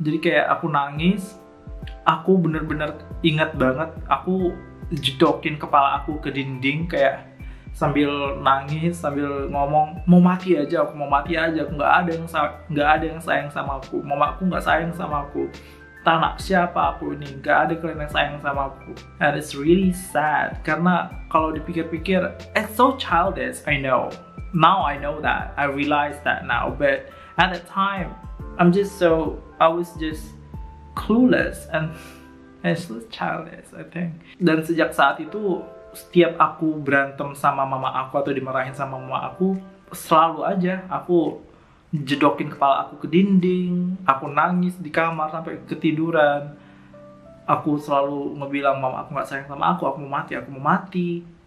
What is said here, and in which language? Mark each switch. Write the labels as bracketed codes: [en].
[id] Jadi kayak aku nangis, aku bener-bener ingat banget aku jedokin kepala aku ke dinding kayak sambil nangis, sambil ngomong mau mati aja, nggak ada yang sayang sama aku, mamaku nggak sayang sama aku, tanah siapa aku ini, nggak ada kalian yang sayang sama aku. [en] And it's really sad [id] karena kalau dipikir-pikir [en] it's so childish. I realize that now, but at that time I was just clueless and it's so childish, I think. [id] Dan sejak saat itu setiap aku berantem sama mama aku atau dimarahin sama mama aku, selalu aja aku jedokin kepala aku ke dinding, aku nangis di kamar sampai ketiduran. Aku selalu ngebilang mama aku gak sayang sama aku mau mati.